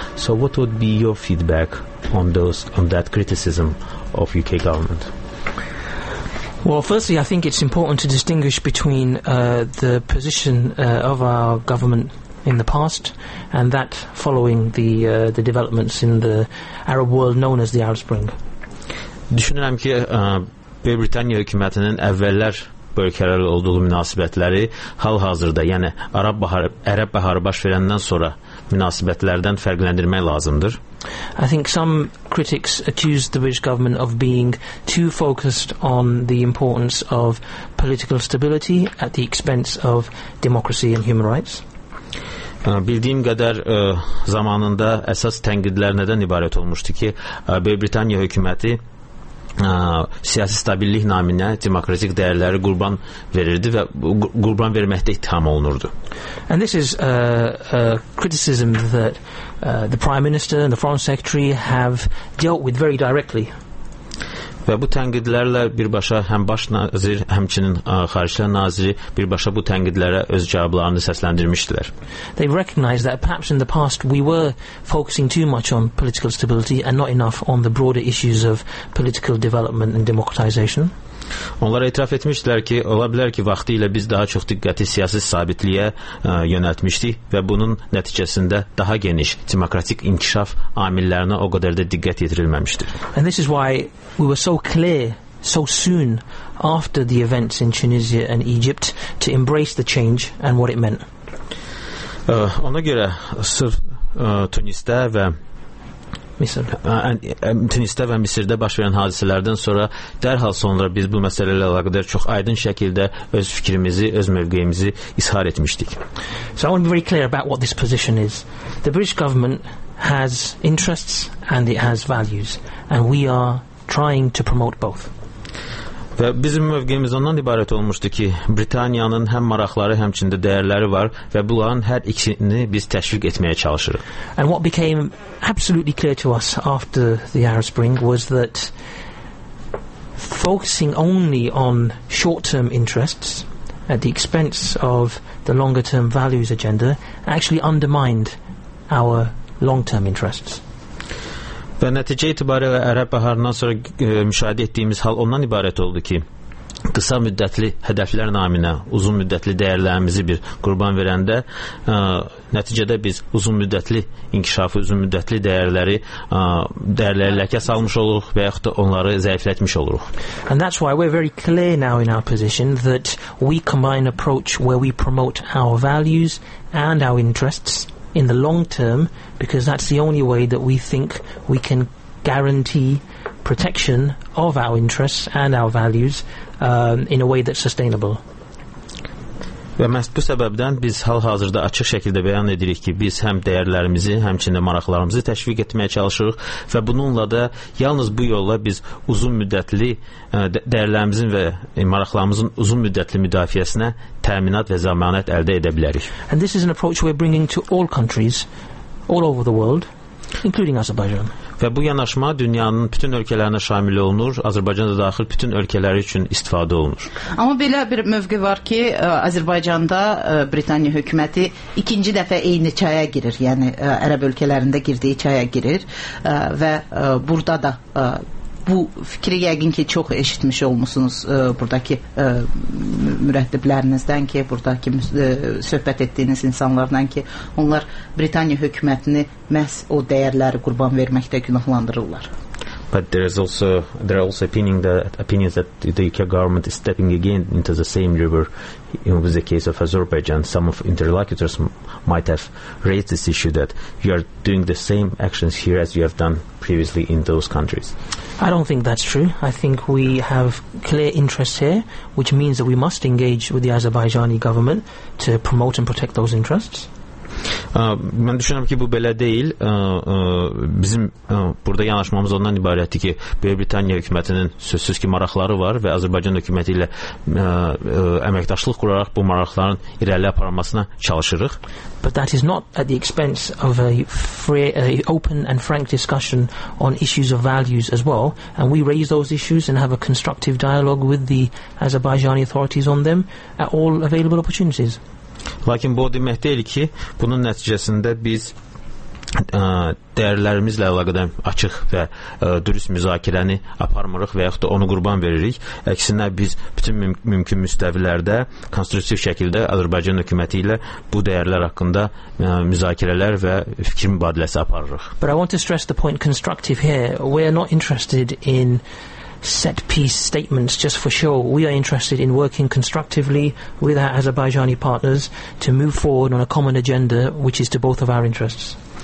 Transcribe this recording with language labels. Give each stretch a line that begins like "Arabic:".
English: So what would be your feedback on that criticism of UK government? Well, firstly, I think it's important to distinguish between the position of our government in the past, and that following the developments in the Arab world known as the Arab Spring.
Azerbaijani: Düşünürəm ki, Böyük Britaniya hökumətinin əvvəllər bu ölkələrlə olduğu münasibətləri hal-hazırda, yəni Ərəb baharı baş verəndən sonra münasibətlərdən fərqləndirmək lazımdır.
English: I think some critics accuse the British government of being too focused on the importance of political stability at the expense of democracy and human rights.
Azerbaijani: Bildiyim qədər zamanında əsas tənqidlər nədən ibarət olmuşdu ki, Böyük Britaniya hökuməti siyasi stabillik naminə demokratik dəyərləri qurban verirdi və qurban verməkdə ittiham olunurdu.
English: And this is a criticism that the Prime Minister and the Foreign Secretary have dealt with very directly.
Azerbaijani: Və bu tənqidlərlə birbaşa həm baş nazir, həmçinin xarici naziri birbaşa bu tənqidlərə öz cavablarını səsləndirmişdilər.
English: They recognize that perhaps in the past we were focusing too much on political stability and not enough on the broader issues of political development and democratization.
Azerbaijani: Onlar etiraf etmişdilər ki, ola bilər ki, vaxtilə biz daha çox diqqəti siyasi sabitliyə yönəltmişdik və bunun nəticəsində daha geniş demokratik inkişaf amillərinə o qədər də diqqət yetirilməmişdir.
English: And this is why we were so clear so soon after the events in Tunisia and Egypt to embrace the change and what it meant.
Azerbaijani: Ona görə sırf Tunisdə və Misir. Tunisdə və Misirdə baş verən hadisələrdən sonra dərhal sonra biz bu məsələ ilə əlaqədar çox aydın şəkildə öz fikrimizi, öz mövqeyimizi izhar etmişdik.
English: So I want to be very clear about what this position is. The British government has interests and it has values, and we are trying to promote both.
Azerbaijani: Və bizim mövqeyimiz ondan ibarət olmuşdu ki, Britaniyanın həm maraqları, həmçində dəyərləri var və bunların hər ikisini biz təşviq etməyə çalışırıq.
English: And what became absolutely clear to us after the Arab Spring was that focusing only on short-term interests at the expense of the longer-term values agenda actually undermined our long-term interests.
Azerbaijani: Və nəticə itibarilə Ərəb baharından sonra müşahidə etdiyimiz hal ondan ibarət oldu ki, qısa müddətli hədəflər naminə uzun müddətli dəyərlərimizi bir qurban verəndə nəticədə biz uzun müddətli inkişafı, uzun müddətli dəyərləri dəyərləri ləkə salmış oluruq və yaxud da onları zəiflətmiş oluruq.
English: And that's why we're very clear now in our position that we combine an approach where we promote our values and our interests in the long term, because that's the only way that we think we can guarantee protection of our interests and our values in a way that's sustainable.
Azerbaijani: Və məhz bu səbəbdən biz hal-hazırda açıq şəkildə bəyan edirik ki, biz həm dəyərlərimizi, həmçində maraqlarımızı təşviq etməyə çalışırıq və bununla da yalnız bu yolla biz uzun müddətli dəyərlərimizin və maraqlarımızın uzun müddətli müdafiəsinə təminat və zəmanət əldə edə bilərik.
English: And this is an approach we're bringing to all countries all over the world, including Azerbaijan.
Azerbaijani: Və bu yanaşma dünyanın bütün ölkələrinə şamil olunur, Azərbaycan da daxil bütün ölkələri üçün istifadə olunur. Amma belə bir mövqe var ki, Azərbaycanda Britaniya hökuməti ikinci dəfə eyni çaya girir, yəni Ərəb ölkələrində girdiyi çaya girir və burada da bu fikri yəqin ki, çox eşitmiş olmuşsunuz buradakı mürəttiblərinizdən ki, buradakı söhbət etdiyiniz insanlardan ki, onlar Britaniya hökumətini məhz o dəyərləri qurban verməkdə günahlandırırlar.
English: But there are also opinions that the UK government is stepping again into the same river. In the case of Azerbaijan, some of interlocutors might have raised this issue that you are doing the same actions here as you have done previously in those countries. I don't think that's true. I think we have clear interests here, which means that we must engage with the Azerbaijani government to promote and protect those interests.
Azerbaijani: Mən düşünürəm ki, bu belə deyil. Bizim burada yanaşmamız ondan ibarətdir ki, Böyük Britaniya hökumətinin sözsüz ki, maraqları var və Azərbaycan hökuməti ilə əməkdaşlıq quraraq bu maraqların irəli aparılmasına çalışırıq.
English: But that is not at the expense of a free, open and frank discussion on issues of values as well, and we raise those issues and have a constructive dialogue with the Azerbaijani authorities on them at all available opportunities.
Azerbaijani: Lakin bu o demək deyil ki, bunun nəticəsində biz dəyərlərimizlə əlaqədən açıq və dürüst müzakirəni aparmırıq və yaxud da onu qurban veririk. Əksinə, biz bütün mümkün müstəvilərdə konstruktiv şəkildə Azərbaycan hökuməti ilə bu dəyərlər haqqında müzakirələr və fikir mübadiləsi aparırıq.
English: But I want to stress the point constructive here. We are not interested in set piece statements just for show. We are interested in working constructively with our Azerbaijani partners to move forward on a common agenda which is to both of our interests.